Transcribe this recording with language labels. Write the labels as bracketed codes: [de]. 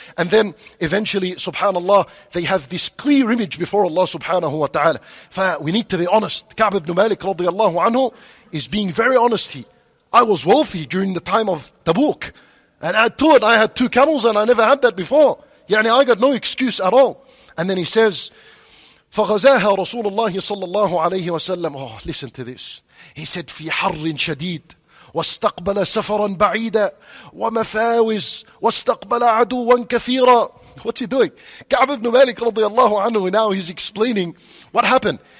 [en] And then eventually, subhanAllah, they have this clear image before Allah subhanahu wa ta'ala. We need to be honest. Ka'b ibn Malik radiallahu anhu is being very honest. I was wealthy during the time of Tabuk. And add to it, I had two camels and I never had that before. I got no excuse at all. And then he says, [ar] فَغَزَاهَا رَسُولُ اللَّهِ صَلَّى اللَّهُ عَلَيْهِ وَسَلَّمُ. [en] Oh, listen to this. He said, [ar] فِي حَرٍ شَدِيدٍ وَاسْتَقْبَلَ سَفَرًا بَعِيدًا وَمَفَاوِزْ وَاسْتَقْبَلَ عَدُوًا كَثِيرًا. [en] What's he doing? Ka'ab ibn Malik radiallahu anhu, now he's explaining what happened.